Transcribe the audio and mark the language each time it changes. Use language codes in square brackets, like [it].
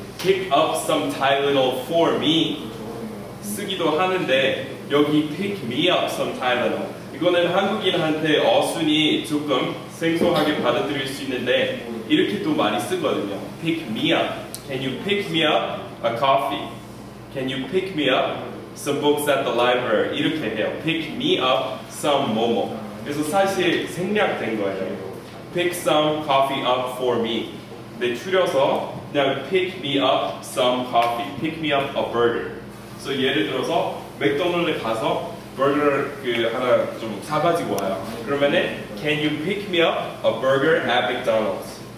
[en] pick up some Tylenol for me [ko] 쓰기도 하는데 여기 [en] pick me up some Tylenol [ko] 이거는 한국인한테 어순이 조금 생소하게 받아들일 수 있는데 이렇게 또 많이 쓰거든요. [en] pick me up. Can you pick me up a coffee? Can you pick me up some books at the library? [ko] 이렇게 해요. [en] pick me up some 뭐뭐. [ko] 그래서 사실 생략된 거예요. [en] Pick some coffee up for me. [ko] 근데 줄여서 그냥 [en] pick me up some coffee. Pick me up a burger. [ko] So 예를 들어서 맥도날드 가서 버거를 그 하나 좀 사가지고 와요. 그러면은 [en] can you pick me up a burger at McDonald's?